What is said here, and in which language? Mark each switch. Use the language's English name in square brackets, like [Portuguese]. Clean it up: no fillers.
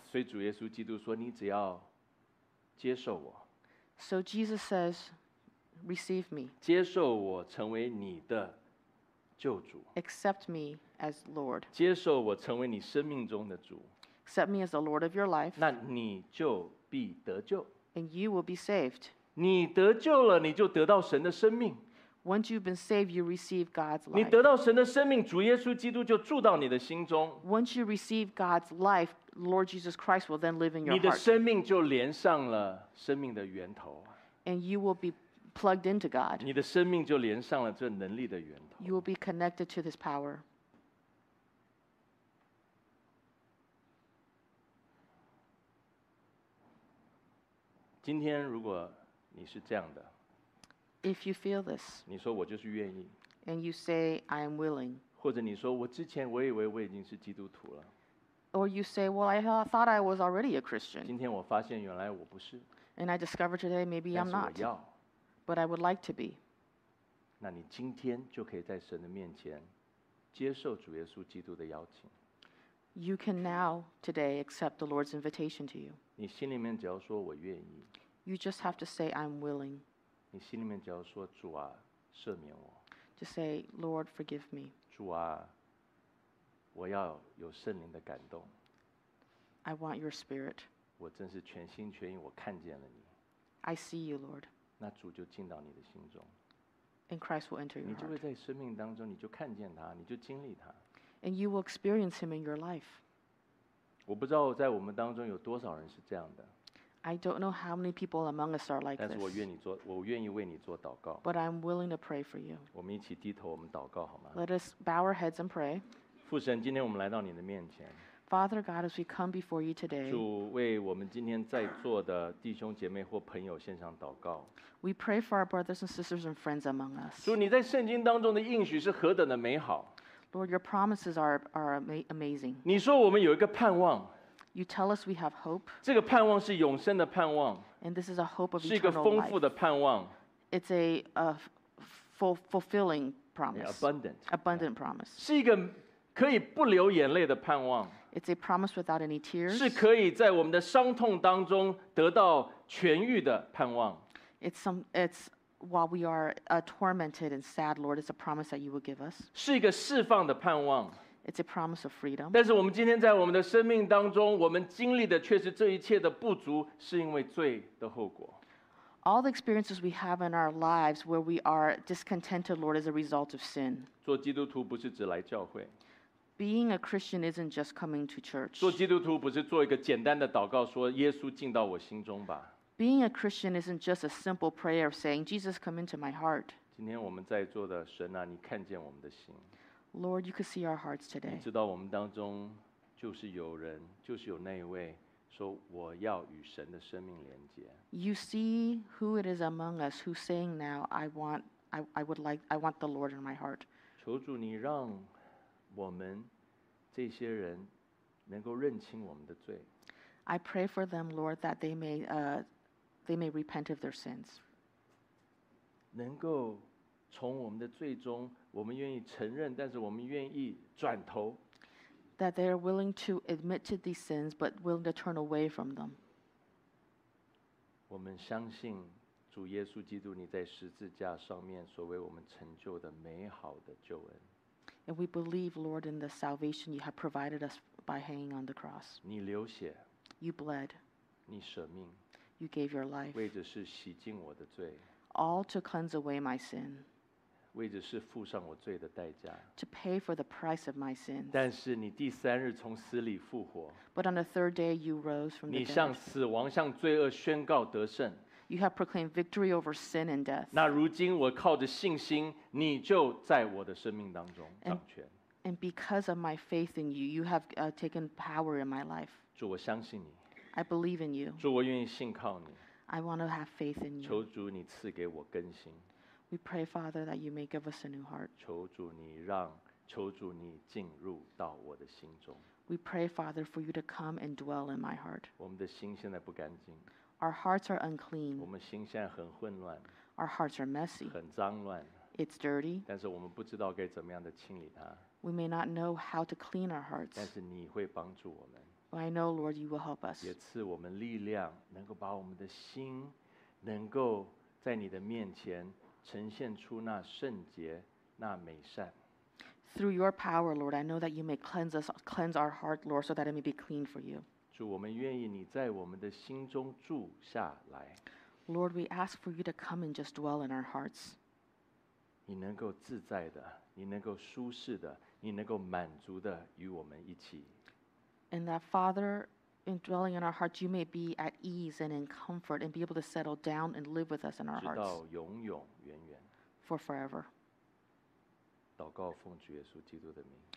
[Chinese] 所以主耶稣基督说，你只要接受我。 [English] So Jesus says, receive me. [Chinese] 接受我成为你的救主。 [English] Accept me as Lord. [Chinese] 接受我成为你生命中的主。 [English] Accept me as the Lord of your life. [Chinese] 那你就必得救。 [English] And you will be saved. [Chinese] 你得救了，你就得到神的生命。 [English] Once you've been saved, you receive God's life. [Chinese] 你得到神的生命，主耶稣基督就住到你的心中。 [English] Once you receive God's life, Lord Jesus Christ will then live in your heart. [Chinese] 你的生命就连上了生命的源头。 [English] And you will be plugged into God. [Chinese] 你的生命就连上了这能力的源头。 [English] You will be connected to this power. [Chinese] 今天如果你是这样的。 [English] If you feel this, [Chinese] 你说我就是愿意。 [English] And you say, I am willing. [Chinese] 或者你说，我之前我以为我已经是基督徒了。 [English] Or you say, well, I thought I was already a Christian. [Chinese] 今天我发现原来我不是。 [English] And I discovered today, maybe I'm not. [Chinese] 但是我要。 [English] But I would like to be. [Chinese] 那你今天就可以在神的面前接受主耶稣基督的邀请。 [English] You can now, today, accept the Lord's invitation to you. [Chinese] 你心里面只要说我愿意。 [English] You just have to say, I'm willing. [Chinese] 你心里面只要说主啊，赦免我。 [English] To say, Lord, forgive me. [Chinese] 主啊，我要有圣灵的感动。 [English] I want your spirit. [Chinese] 我真是全心全意，我看见了你。 [English] I see you, Lord. [Chinese] 那主就进到你的心中。 [English] And Christ will enter your heart. [Chinese] 你就会在生命当中，你就看见他，你就经历他。 [English] And you will experience him in your life. [Chinese] 我不知道在我们当中有多少人是这样的。 [English] I don't know how many people among us are like this. [Chinese] 但是我愿意为你做祷告。 [English] But I'm willing to pray for you. [Chinese] 我们一起低头，我们祷告好吗？ [English] Let us bow our heads and pray. [Chinese] 父神，今天我们来到你的面前。 [English] Father God, as we come before you today, [Chinese] 主为我们今天在座的弟兄姐妹或朋友献上祷告。 [English] We pray for our brothers and sisters and friends among us. [Chinese] 主，你在圣经当中的应许是何等的美好。 [English] Lord, your promises are amazing. [Chinese] 你说我们有一个盼望。 [English] You tell us we have hope. [Chinese] 这个盼望是永生的盼望。 [English] And this is a hope of eternal life. [Chinese] 是一个丰富的盼望。 [English] It's a fulfilling promise. Yeah, abundant. Abundant promise. [Chinese] 是一个可以不流眼泪的盼望。 [English] It's a promise without any tears. [Chinese] 是可以在我们的伤痛当中得到痊愈的盼望。 [English] It's while we are tormented and sad, Lord, it's a promise that you will give us. [Chinese] 是一个释放的盼望。 [English] It's a promise of freedom. [Chinese] 但是我们今天在我们的生命当中，我们经历的却是这一切的不足，是因为罪的后果。 [English] All the experiences we have in our lives where we are discontented, Lord, is a result of sin. [Chinese] 做基督徒不是只来教会。 [English] Being a Christian isn't just coming to church. [Chinese] 做基督徒不是做一个简单的祷告，说耶稣进到我心中吧。 [English] Being a Christian isn't just a simple prayer of saying, Jesus, come into my heart. [Chinese] 今天我们在座的神啊，你看见我们的心。 [English] Lord, you could see our hearts today. [Chinese] 你知道我们当中就是有人，就是有那一位说我要与神的生命连接。 [English] You see who it is among us who's saying now, I want the Lord in my heart. [Chinese] 求主你让我们这些人能够认清我们的罪。 [English] I pray for them, Lord, that they may repent of their sins. [Chinese] 能够从我们的罪中，我们愿意承认，但是我们愿意转头。 [English] That they are willing to admit to these sins, but willing to turn away from them. [Chinese] 我们相信主耶稣基督你在十字架上面所为我们成就的美好的救恩。 [English] And we believe, Lord, in the salvation you have provided us by hanging on the cross. [Chinese] 你流血。 [English] You bled. [Chinese] 你舍命。 [English] You gave your life. [Chinese] 为的是洗净我的罪。 [English] All to cleanse away my sin. [Chinese] 为的是付上我罪的代价。 [English] To pay for the price of my sins. [Chinese] 但是你第三日从死里复活。 [English] But on the third day you rose from the dead. [Chinese] 你向死亡向罪恶宣告得胜。 [English] You have proclaimed victory over sin and death. [Chinese] 那如今我靠着信心，你就在我的生命当中掌权。 [English] And because of my faith in you, you have taken power in my life. [Chinese] 主，我相信你。 [English] I believe in you. [Chinese] 主，我愿意信靠你。 [English] I want to have faith in you. [Chinese] 求主你赐给我更新。 [English] We pray, Father, that you may give us a new heart. [Chinese] 求主你进入到我的心中。 [English] We pray, Father, for you to come and dwell in my heart. [Chinese] 我们的心现在不干净。 [English] Our hearts are unclean. [Chinese] 我们心现在很混乱。 [English] Our hearts are messy. [Chinese] 很脏乱。 [English] It's dirty. [Chinese] 但是我们不知道该怎么样的清理它。 [English] We may not know how to clean our hearts. [Chinese] 但是你会帮助我们。 [English] But I know, Lord, you will help us. [Chinese] 也赐我们力量，能够把我们的心，能够在你的面前呈现出那圣洁、那美善。 [English] Through your power, Lord, I know that you may cleanse our heart, Lord, so that it may be clean for you. [Chinese] 主，我们愿意你在我们的心中住下来。 [English] Lord, we ask for you to come and just dwell in our hearts. [Chinese] 你能够自在的，你能够舒适的，你能够满足的与我们一起。 [English] And that Father, in dwelling in our hearts, you may be at ease and in comfort and be able to settle down and live with us in our hearts. [Chinese] 直到永永远远。 [English] For forever. [Chinese] 祷告奉主耶稣基督的名。